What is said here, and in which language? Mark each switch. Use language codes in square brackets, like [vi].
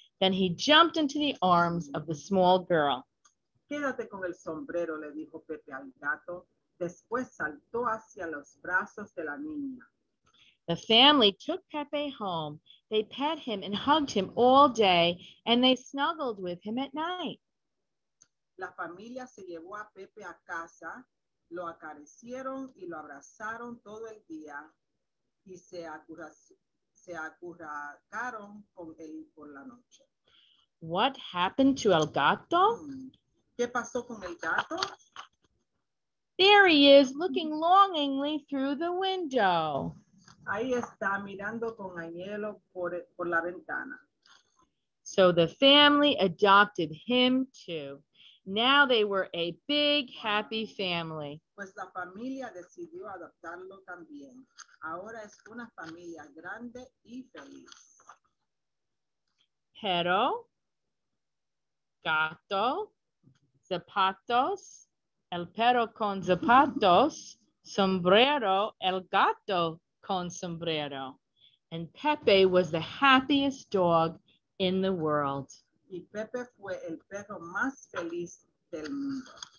[en] Then he jumped into the arms of the small girl. [es] Quédate con el sombrero, le dijo Pepe al gato. Después saltó hacia los brazos de la niña. [en] The family took Pepe home. They pet him and hugged him all day, and they snuggled with him at night. [es] La familia se llevó a Pepe a casa, lo acariciaron y lo abrazaron todo el día, y se acurrucaron con él por la noche. [en] What happened to El Gato? [es] ¿Qué pasó con el gato? [en] There he is, looking longingly through the window. [es] Ahí está, mirando con anhelo por la ventana. [en] So the family adopted him too. Now they were a big, happy family. [es] Pues la familia decidió adoptarlo también. Ahora es una familia grande y feliz. Pero, gato, zapatos, el perro con zapatos, sombrero, el gato. Con sombrero, [en] and Pepe was the happiest dog in the world. [es] Y Pepe fue el perro más feliz del mundo.